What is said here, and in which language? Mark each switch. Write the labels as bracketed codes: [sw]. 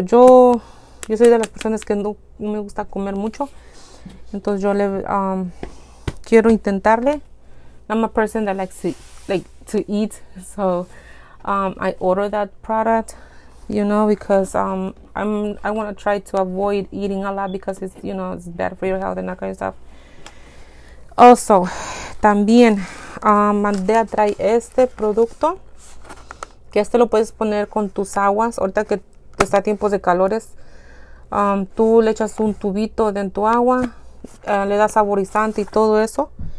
[es] Yo soy de las personas que no me gusta comer mucho. Entonces yo le quiero intentarle. [en] I'm a person that likes to eat, so I order that product, you know, because I want to try to avoid eating a lot because it's, you know, it's bad for your health and that kind of stuff. Also, [es] también mandé a traer este producto, que este lo puedes poner con tus aguas ahorita que está tiempos de calores. Tú le echas un tubito de en tu agua, le das saborizante y todo eso.